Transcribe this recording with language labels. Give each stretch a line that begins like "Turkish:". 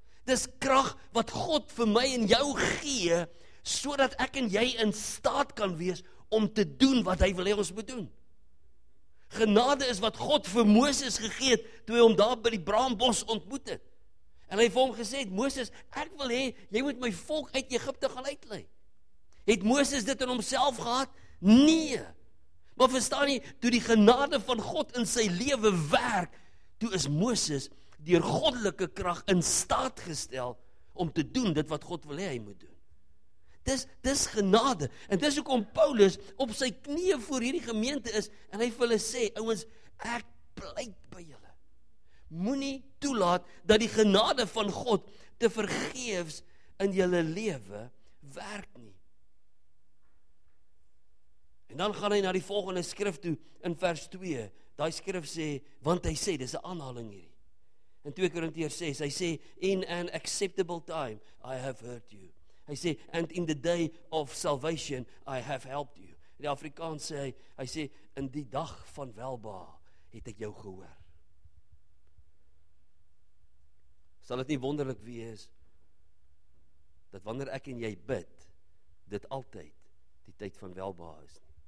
Afrikaans: Dis krag wat God vir my en jou gee, sodat ek en jy in staat kan wees om te doen wat hy wil hê ons moet doen. Genade is wat God vir Moses gegee het, toe hy hom daar by die braambos ontmoet het. En hy het vir hom gesê, Moses, ek wil hê, jy moet my volk uit Egipte gaan uitlei. Het Moses dit in homself gehad? Nee. Maar verstaan nie, toe die genade van God in sy lewe werk, toe is Moses deur goddelike krag in staat gestel om te doen dit wat God wil hê hy moet doen. Dis genade. En dis hoekom Paulus op sy knieë voor hierdie gemeente is en hy vir hulle sê, ouens, ek pleit by julle. Moenie toelaat dat die genade van God te vergeefs in julle lewe werk nie. En dan gaan hy na die volgende skrif toe in vers 2. Daai skrif sê, want hy sê, dis 'n aanhaling hierdie. In 2 Korintiërs 6, hy sê,
English: in an acceptable time I have heard you.
Afrikaans: Hy sê,
English: and in the day of salvation I have helped you.
Afrikaans: In die Afrikaans sê hy sê, in die dag van welbehae het ek jou gehoor. Sal het nie wonderlik wees, dat wanneer ek en jy bid, dit altyd die tyd van welbehae is.